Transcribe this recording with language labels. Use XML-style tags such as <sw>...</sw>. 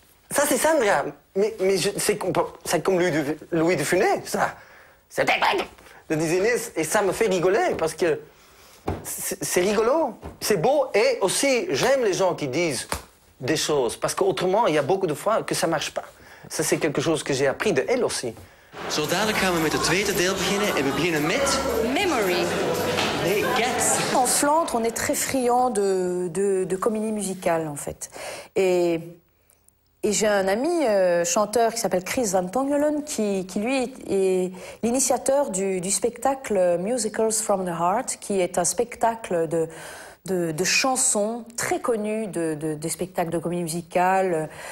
<fr>Ça, c'est Sandra. Mais c'est comme Louis de Funès, ça. C'était pas de Disney. Et ça me fait rigoler, parce que c'est rigolo. C'est beau. Et aussi, j'aime les gens qui disent des choses. Parce qu'autrement, il y a beaucoup de fois que ça marche pas. Ça, c'est quelque chose que j'ai appris de elle aussi.</fr> <nl>Zo dadelijk gaan we met het tweede deel beginnen en we beginnen met... Memory. Nee, Cats.</nl> <fr>En Flandre, on est très friand de comédie musicale, en fait. Et j'ai un ami chanteur qui s'appelle Chris Van Tongelen, qui lui est l'initiateur du spectacle Musicals from the Heart, qui est un spectacle de chansons très connues, des spectacles de comédie musicale.</fr>